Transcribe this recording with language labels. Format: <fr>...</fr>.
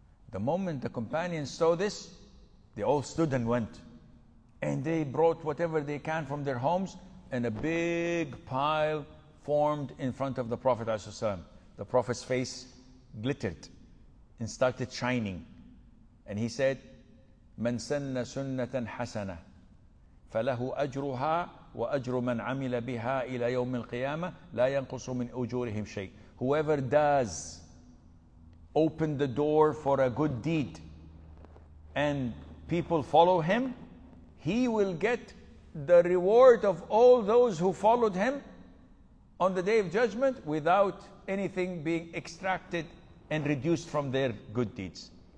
<en>The moment the companions saw this, they all stood and went. And they brought whatever they can from their homes, and a big pile formed in front of the Prophet ﷺ. The Prophet's face glittered and started shining. And he said,</en> <ar>مَنْ سَنَّ سُنَّةً حَسَنَةً فَلَهُ أَجْرُهَا وَأَجْرُ مَنْ عَمِلَ بِهَا إِلَى يَوْمِ الْقِيَامَةِ لَا يَنْقُصُ مِنْ أُجُورِهِمْ شَيْءٍ.</ar> <en>Whoever does open the door for a good deed and people follow him, he will get the reward of all those who followed him on the day of judgment without anything being extracted and reduced from their good deeds.</en>